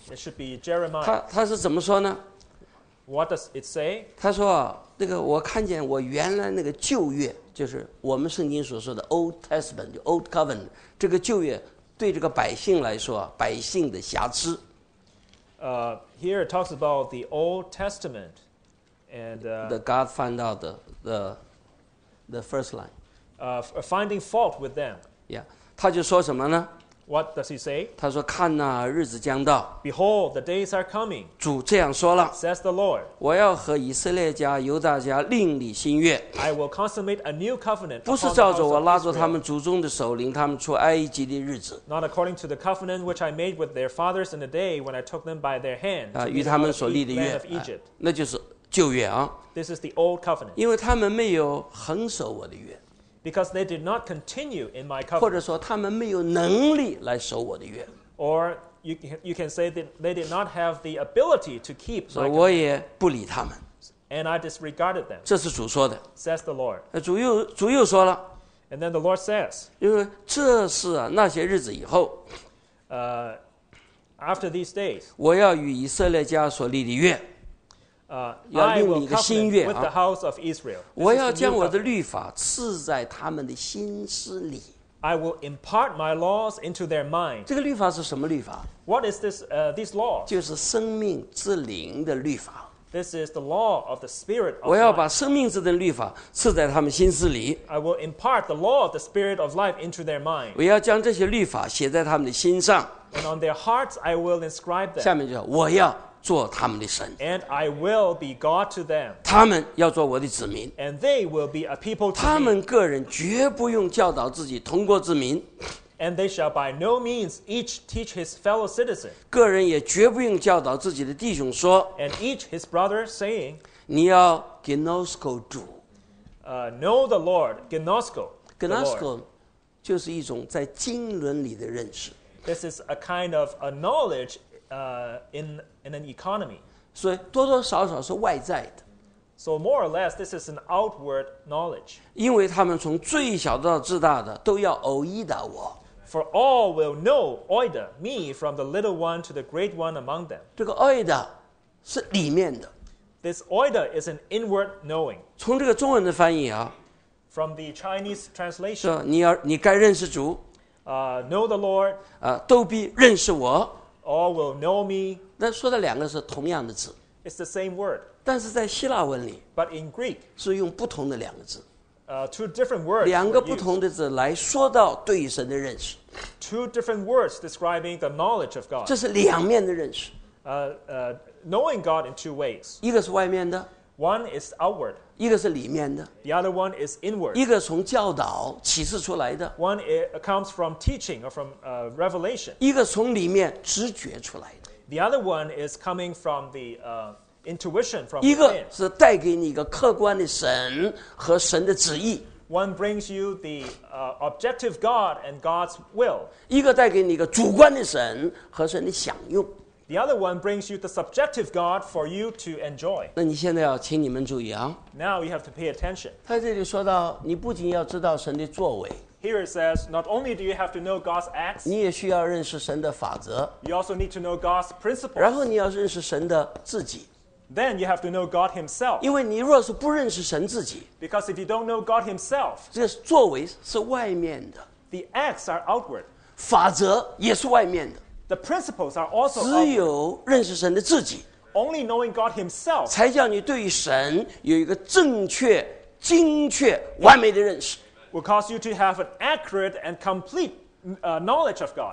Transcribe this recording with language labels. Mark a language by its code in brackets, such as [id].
[en] It should be Jeremiah. [zh] 他是怎么说呢 [en] ？What does it say？ [zh] 他说那个我看见我原来那个旧约，就是我们圣经所说的 [en] Old Testament， Old Covenant [zh] 这个旧约。对这个百姓来说，百姓的瑕疵。 [en] Here it talks about the Old Testament, and the God found out the first line. Finding fault with them. Yeah, [zh] 他就说什么呢 [en] What does he say? [zh] 他说看哪、啊、日子将到。 [en] Behold, the days are coming. [zh] 主这样说了。 [en] Says the Lord. [zh] 我要和以色列家、犹大家另立新约。 [en] I will consummate a new covenant. [zh] 不是照着我拉着他们祖宗的手领他们出埃及的日子。 [en] Not according to the covenant which I made with their fathers in the day when I took them by their hand. [zh] 与他们所立的约。那就是旧约啊。 [en] This is the old covenant. [zh] 因为他们没有恒守我的约。 [en] Because they did not continue in my covenant. [zh] 或者说他们没有能力来守我的约。 [en] Or you can say that they did not have the ability to keep my covenant. [zh] 我也不理他们。 [en] And I disregarded them. [zh] 这是主说的。 [en] Says the Lord. [zh] 主又说了。 [en] And then the Lord says. [zh] 因为这是、啊、那些日子以后。 [en] After these days. [zh] 我要与以色列家所立的约。要另立一个新约、啊、我要将我的律法赐在他们的心思里。 [en] I will impart my laws into their mind. [zh] 这个律法是什么律法？ [en] What is this, these laws? [zh] 就是生命之灵的律法。 [en] This is the law of the spirit of life. [zh] 我要把生命之灵律法赐在他们心思里。 [en] I will impart the law of the spirit of life into their mind. [zh] 我要将这些律法写在他们的心上。 [en] And on their hearts, I will inscribe them. [zh] 下面就是我要。做他们的神 [en] and I will be God to them. [zh] 他们要做我的子民 [en] and they will be a people to me. [zh] 他们个人绝不用教导自己同国子民 [en] and they shall by no means each teach his fellow citizen. [zh] 个人也绝不用教导自己的弟兄说 [en] and each his brother saying, [zh] 你要 ginosko 主 [en] know the Lord, ginosko. [zh] Ginosko 就是一种在经纶里的认识 [en] This is a kind of a knowledge in an economy. [zh] 所以多多少少是外在的。 [en] So more or less, this is an outward knowledge. [zh] 因为他们从最小到至大的都要oida我。 [en] For all will know oida, me from the little one to the great one among them. [zh] 这个oida是里面的。 [en] This oida is an inward knowing. [zh] 从这个中文的翻译啊。 [en] From the Chinese translation. [zh] 说你该认识主。 [en] Know the Lord. [zh] 都必认识我。 [en] All will know me. [zh] 那说的两个是同样的字。 [en] It's the same word. [zh] 但是在希腊文里 [en] But in Greek, [zh] 是用不同的两个字。 [en] Two different words. [zh] 两个不同的字来说到对神的认识。 [en] Two different words describing the knowledge of God. [zh] 这是两面的认识。 [en] Knowing God in two ways. [zh] 一个是外面的。 [en] One is outward. [zh] 一个是里面的。 [en] The other one is inward. [zh] 一个从教导启示出来的。 [en] One comes from teaching or from revelation. [zh] 一个从里面直觉出来的。 [en] The other one is coming from the intuition from within. [zh] 一个是带给你一个客观的神和神的旨意。 [en] One brings you the objective God and God's will. [zh] 一个带给你一个主观的神和神的享用。 [en] The other one brings you the subjective God for you to enjoy. [zh] 那你现在要请你们注意啊。 [en] Now you have to pay attention. [zh] 他这里说到，你不仅要知道神的作为。 [en] Here it says, not only do you have to know God's acts. [zh] 你也需要认识神的法则。 [en] You also need to know God's principles. [zh] 然后你要认识神的自己。 [en] Then you have to know God himself. [zh] 因为你若是不认识神自己。 [en] Because if you don't know God himself. [zh] 这是作为是外面的。 [en] The acts are outward. [zh] 法则也是外面的。 [en] The principles are also [zh] 只有认识神的自己 [en] only knowing God himself, [zh] 才叫你对于神有一个正确精确完美的认识 [en] will cause you to have an accurate and complete knowledge of God